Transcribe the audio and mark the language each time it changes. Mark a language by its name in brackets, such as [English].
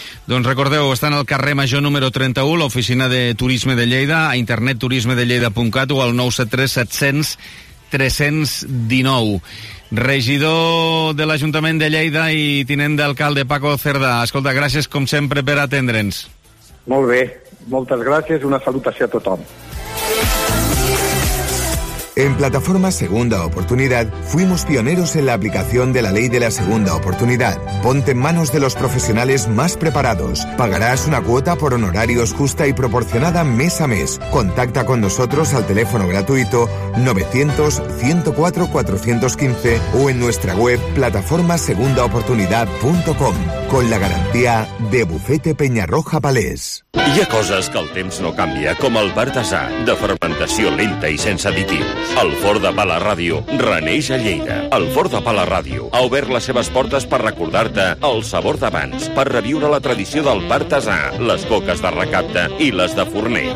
[Catalan] Doncs recordeu, està en el carrer Major número 31, l'oficina de Turisme de Lleida, a internet turismedelleida.cat o al 973-700-319. Regidor de l'Ajuntament de Lleida i tinent d'alcalde, Paco Cerdà. Escolta, gràcies com sempre per atendre'ns. Molt bé, moltes gràcies i una salutació a tothom. [Spanish] En Plataforma Segunda Oportunidad fuimos pioneros en la aplicación de la Ley de la Segunda Oportunidad. Ponte en manos de los profesionales más preparados. Pagarás una cuota por honorarios justa y proporcionada mes a mes. Contacta con nosotros al teléfono gratuito 900-104-415 o en nuestra web plataformasegundaoportunidad.com con la garantía de Bufete Peñarroja Palés. [Catalan] Hi ha coses que el temps no canvia, com el Bartasà, de fermentació lenta i sense additius. El Forn de Pala Ràdio reneix a Lleida. El Forn de Pala Ràdio ha obert les seves portes per recordar-te el sabor d'abans, per reviure la tradició del Bartasà, les coques de recapte i les de forner.